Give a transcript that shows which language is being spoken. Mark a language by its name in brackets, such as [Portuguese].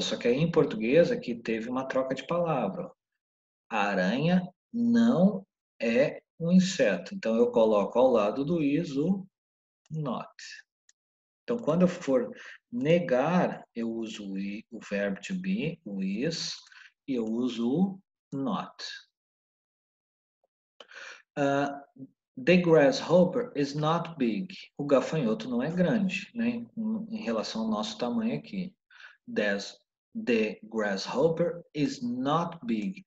[Portuguese] Só que aí em português aqui teve uma troca de palavra. Aranha não é um inseto. Então eu coloco ao lado do is o not. Então quando eu for negar, eu uso o verbo to be, o is, e eu uso o not. [English] The grasshopper is not big. [Portuguese] O gafanhoto não é grande, né? Em relação ao nosso tamanho aqui. [English] The grasshopper is not big.